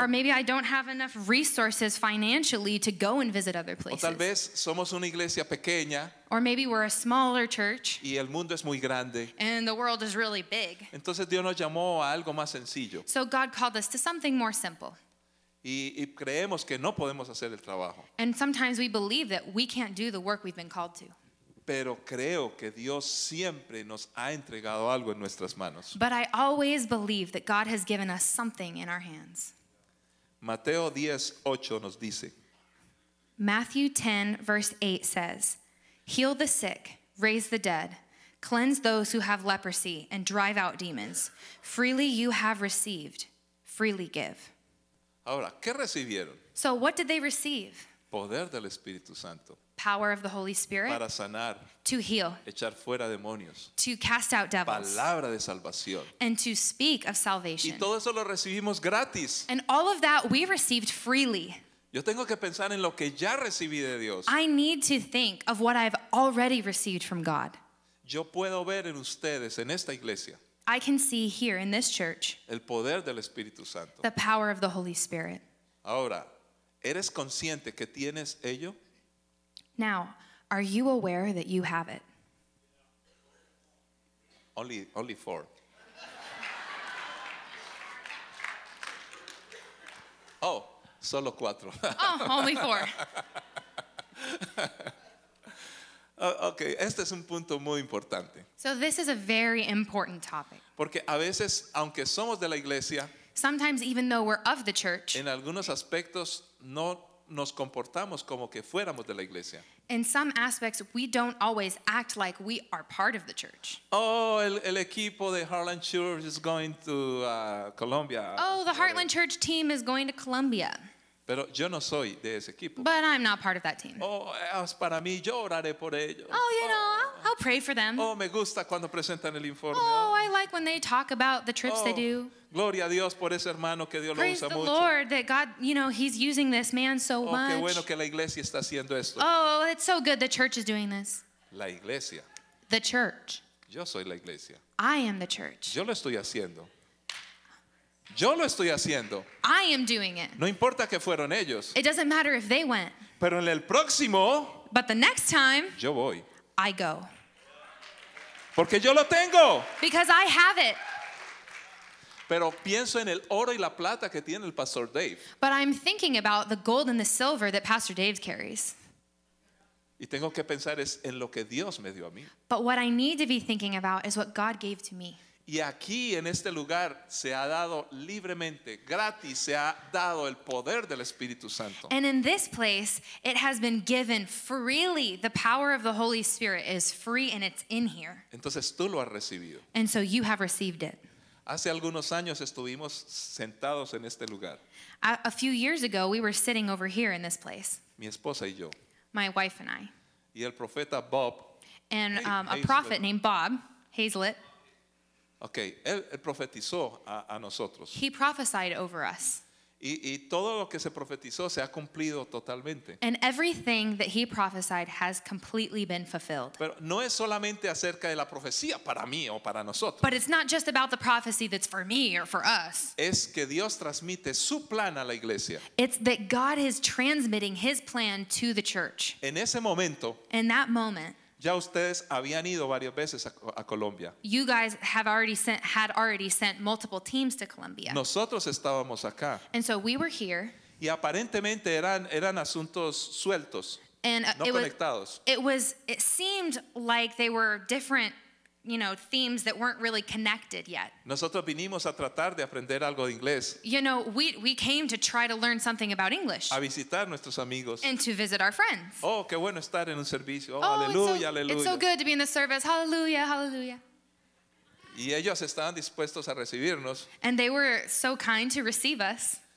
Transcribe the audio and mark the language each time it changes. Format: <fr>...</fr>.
<en>Or maybe I don't have enough resources financially to go and visit other places.</en> <es>O tal vez somos una iglesia pequeña.</es> <en>Or maybe we're a smaller church.</en> <es>Y el mundo es muy grande.</es> <en>And the world is really big.</en> <es>Entonces Dios nos llamó a algo más sencillo.</es> <en>So God called us to something more simple.</en> <es>Y creemos que no podemos hacer el trabajo.</es> <en>And sometimes we believe that we can't do the work we've been called to.</en> <es>Pero creo que Dios siempre nos ha entregado algo en nuestras manos.</es> <en>But I always believe that God has given us something in our hands.</en> <es>Mateo 10:8 nos dice.</es> <en>Matthew 10 verse 8 says, Heal the sick, raise the dead, cleanse those who have leprosy, and drive out demons. Freely you have received, freely give.</en> <es>Ahora, ¿qué recibieron?</es> <en>So what did they receive?</en> <es>Poder del Espíritu Santo.</es> <en>Power of the Holy Spirit.</en> <es>Para sanar.</es> <en>To heal.</en> <es>Echar fuera demonios.</es> <en>To cast out devils.</en> <es>Palabra de salvación.</es> <en>And to speak of salvation.</en> <es>Y todo eso lo recibimos gratis.</es> <en>And all of that we received freely.</en> <es>Yo tengo que pensar en lo que ya recibí de Dios.</es> <en>I need to think of what I've already received from God.</en> <es>Yo puedo ver en ustedes, en esta iglesia.</es> <en>I can see here in this church</en> <es>el poder del Espíritu Santo.</es> <en>The power of the Holy Spirit.</en> <es>Ahora, ¿eres consciente que tienes ello?</es> <en>Now, are you aware that you have it? Only four.</en> <es>Oh, solo cuatro.</es> <en>Oh, only four.</en> <es>Okay, este es un punto muy importante.</es> <en>So this is a very important topic.</en> <es>Porque a veces, aunque somos de la iglesia,</es> <en>sometimes even though we're of the church,</en> <es>en algunos aspectos no nos comportamos como que fuéramos de la iglesia.</es> <en>In some aspects, we don't always act like we are part of the church.</en> <es>Oh, el equipo de Heartland Church</es> <en>is going to Colombia. Oh, the Heartland Church team is going to Colombia.</en> <es>Pero yo no soy de ese equipo.</es> <en>But I'm not part of that team.</en> <es>Oh, es para mí, yo oraré por ellos.</es> <en>Oh, you know, I'll pray for them.</en> <es>Oh, me gusta cuando presentan el informe.</es> <en>Oh, I like when they talk about the trips they do.</en> <es>Gloria a Dios por ese hermano que Dios</es> <en>Praise</en> <es>lo usa mucho.</es> <en>Praise the Lord that God, you know, he's using this man so oh, much.</en> <es>Qué bueno que la iglesia está haciendo esto.</es> <en>Oh, it's so good the church is doing this.</en> <es>La iglesia.</es> <en>The church.</en> <es>Yo soy la iglesia.</es> <en>I am the church.</en> <es>Yo lo estoy haciendo. Yo lo estoy haciendo.</es> <en>I am doing it.</en> <es>No importa que fueron ellos.</es> <en>It doesn't matter if they went.</en> <es>Pero en el próximo,</es> <en>but the next time,</en> <es>yo voy.</es> <en>I go.</en> <es>Porque yo lo tengo.</es> <en>Because I have it.</en> <es>Pero pienso en el oro y la plata que tiene el Pastor Dave.</es> <en>But I'm thinking about the gold and the silver that Pastor Dave carries.</en> <es>Y tengo que pensar es en lo que Dios me dio a mí.</es> <en>But what I need to be thinking about is what God gave to me.</en> <es>Y aquí en este lugar se ha dado libremente, gratis, se ha dado el poder del Espíritu Santo.</es> <en>And in this place, it has been given freely. The power of the Holy Spirit is free and it's in here.</en> <es>Entonces tú lo has recibido.</es> <en>And so you have received it.</en> <es>Hace algunos años estuvimos sentados en este lugar.</es> <en>A few years ago, we were sitting over here in this place.</en> <es>Mi esposa y yo.</es> <en>My wife and I.</en> <es>Y el profeta Bob.</es> <en>And a prophet named Bob Hazlett.</en> <es>Okay, él profetizó a nosotros.</es> <en>He prophesied over us.</en> <es>Y todo lo que se profetizó se ha cumplido totalmente.</es> <en>And everything that he prophesied has completely been fulfilled.</en> <es>Pero no es solamente acerca de la profecía para mí o para nosotros.</es> <en>But it's not just about the prophecy that's for me or for us.</en> <es>Es que Dios transmite su plan a la iglesia.</es> <en>It's that God is transmitting his plan to the church.</en> <es>En ese momento.</es> <en>In that moment.</en> <es>Ya ustedes habían ido varias veces a Colombia.</es> <en>You guys have already sent, had already sent multiple teams to Colombia.</en> <es>Nosotros estábamos acá.</es> <en>And so we were here.</en> <es>Y aparentemente eran asuntos sueltos,</es> <en>and,</en> <es>no conectados.</es> <en>It seemed like they were different, you know, themes that weren't really connected yet.</en> <es>Nosotros vinimos a tratar de aprender algo de inglés.</es> <en>You know, we came to try to learn something about English.</en> <es>A visitar nuestros amigos.</es> <en>And to visit our friends.</en> <es>Oh, qué bueno estar en un servicio. Oh, aleluya, aleluya.</es> <en>It's so good to be in the service. Hallelujah, hallelujah.</en> <es>Y ellos estaban dispuestos a recibirnos.</es> <en>And they were so kind to receive us.</en>